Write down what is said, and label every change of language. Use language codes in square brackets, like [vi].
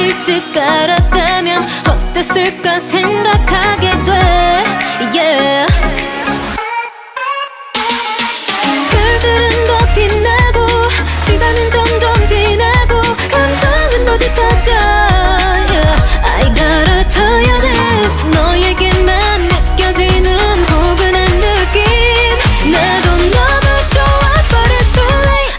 [ko] 아직 알았다면 어땠을까 생각하게 돼. [en] Yeah. [ko] 별들은 더 빛나고 시간은 점점 지나고 감성은 더 짙어져. [en] Yeah. I gotta tell you this. [ko] 너에게만 느껴지는 포근한 느낌 나도 너무 좋아 [en] but it's too late.